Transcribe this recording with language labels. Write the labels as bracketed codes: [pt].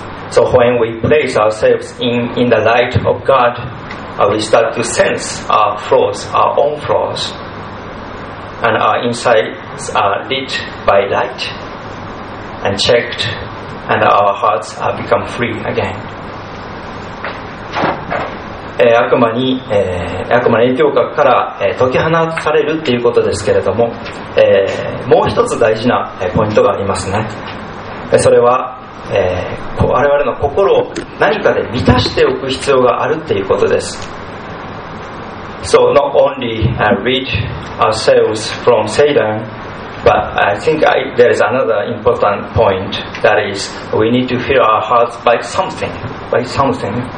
[en] So when we place ourselves in the light of God, we start to sense our flaws, our own flaws, and our insides are lit by light and checked, and our hearts are become free again. [ja] 悪魔に影響から解き放たれるということですけれども、もう一つ大事なポイントがありますね。それは、我々の心を何かで満たしておく必要があるということです。 [en] So not only rid ourselves from Satan, but I think there is another important point, that is we need to fill our hearts by something, by something.